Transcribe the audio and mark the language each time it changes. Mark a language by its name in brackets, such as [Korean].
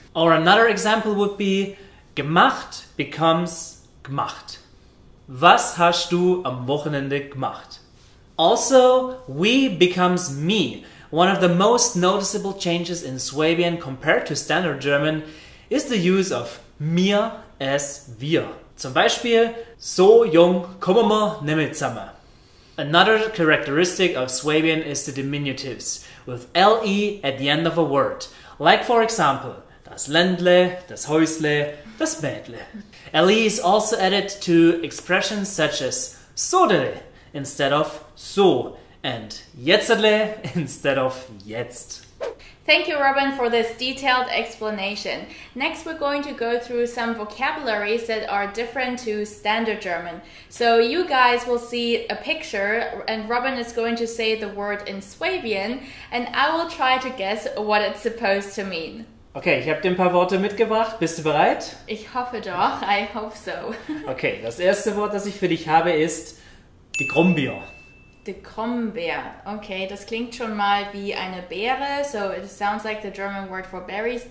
[English] Or another example would be gemacht becomes gemacht. [German] Was hast du am Wochenende gemacht? [English] Also, we becomes me. One of the most noticeable changes in Swabian compared to Standard German is the use of mir as wir. [German] Zum Beispiel, so jung kommen wir nicht mehr zusammen. [English] Another characteristic of Swabian is the diminutives, with le at the end of a word. Like for example, das Ländle, das Häusle, das Mädle. LE is also added to expressions such as sodele instead of so and jetzele instead of jetzt. Thank you, Robin, for this detailed explanation. Next, we're going to go through some vocabularies that are different to Standard German. So you guys will see a picture and Robin is going to say the word in Swabian and I will try to guess what it's supposed to mean. [German] Okay, ich habe dir ein paar Worte mitgebracht. Bist du bereit? Ich hoffe doch. [English] I hope so. [German] Okay, das erste Wort, das ich für dich habe, ist die Grombier. Die Grombier. Okay, das klingt schon mal wie eine Beere. [English] So it sounds like the German word for berries.